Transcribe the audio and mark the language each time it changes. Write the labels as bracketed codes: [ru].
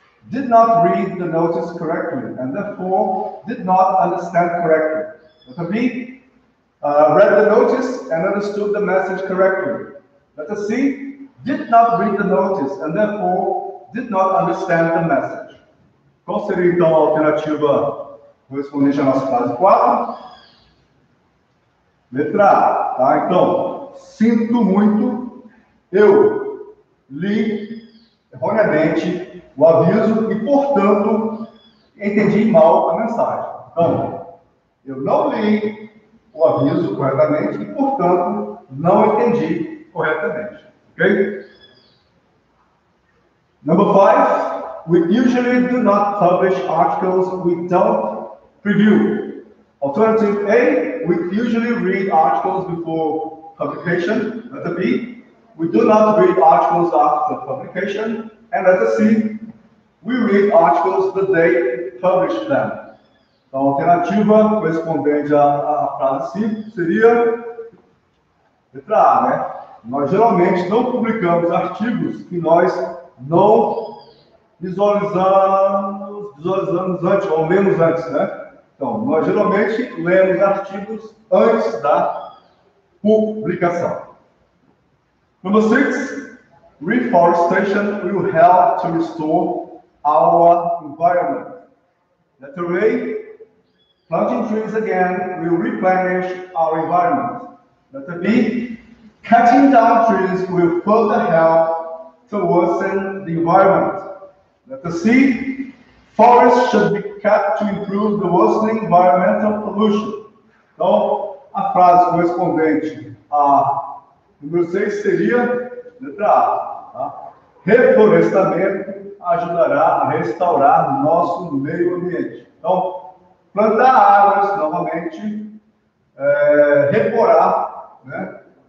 [en] Did not read the notice correctly and therefore did not understand correctly. Letter B. Read the notice and understood the message correctly. Letter C. Did not read the notice and therefore did not understand the message. [pt] Qual seria então a alternativa correspondente à nossa fase 4? Letra A. Tá? Então, sinto muito. Eu li erroneamente o aviso e, portanto, entendi mal a mensagem. Então, eu não li o aviso corretamente e, portanto, não entendi corretamente. Ok? [en] Number 5. We usually do not publish articles we don't preview. Alternative A. We usually read articles before publication. Letter B. We do not read articles after publication. And letter C, we read articles the day publish them. [pt] Então, a alternativa correspondente à frase C seria letra A, né? Nós geralmente não publicamos artigos que nós não visualizamos antes, ou lemos antes, né? Então, nós geralmente lemos artigos antes da publicação. [en] Number 6, reforestation will help to restore our environment. Letter A, planting trees again will replenish our environment. Letter B, cutting down trees will further help to worsen the environment. Letter C, forests should be cut to improve the worsening environmental pollution. [pt] Então, a frase correspondente a número 6 seria letra A. Tá? Reflorestamento ajudará a restaurar nosso meio ambiente. Então, plantar árvores novamente, reporar, né?